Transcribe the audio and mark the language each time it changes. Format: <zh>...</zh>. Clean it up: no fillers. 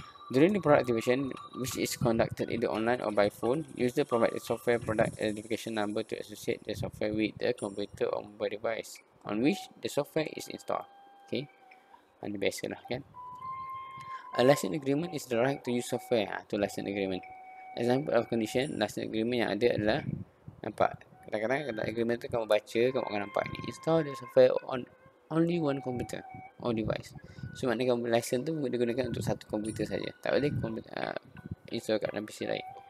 <en>During the product activation, which is conducted either online or by phone, user provide the software product identification number to associate the software with the computer or mobile device on which the software is installed. Okay.</en> <ms>Dan biasa lah kan.</ms> <en>A license agreement is the right to use software. To license agreement. Example of condition, license agreement</en> <ms>yang ada adalah nampak. Kadang-kadang kata agreement tu kamu baca, kamu akan nampak ni.</ms> <en>Install the software on only one computer or device.</en> <ms>So, maknanya kamu license tu digunakan untuk satu komputer saja. Tak boleh install kat dalam PC lain.</ms>